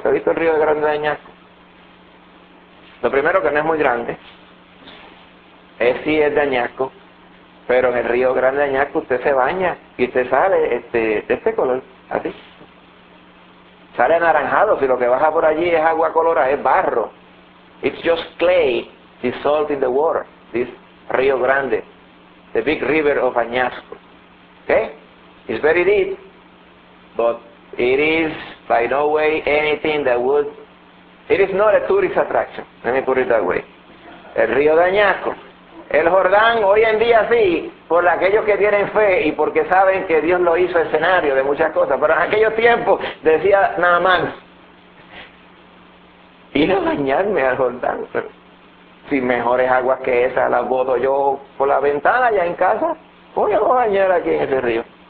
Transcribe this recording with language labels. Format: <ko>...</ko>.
<es>¿Se ha visto el río Grande de Añasco? Lo primero, que no es muy grande. Es sí es de Añasco. Pero en el río Grande de Añasco usted se baña y usted sale de este color, así. Sale anaranjado, si lo que baja por allí es agua colorada, es barro.</es> <en>It's just clay dissolved in the water, this río grande, the big river of Añasco. Okay? It's very deep, but it is by no way anything that would... It is not a tourist attraction, let me put it that way.</en> <es>El río de Añasco. El Jordán hoy en día sí, por aquellos que tienen fe y porque saben que Dios lo hizo escenario de muchas cosas. Pero en aquellos tiempos decía Naamán, ir a bañarme al Jordán. Pero si mejores aguas que esas las boto yo por la ventana allá en casa, voy a bañar aquí en ese río.</es>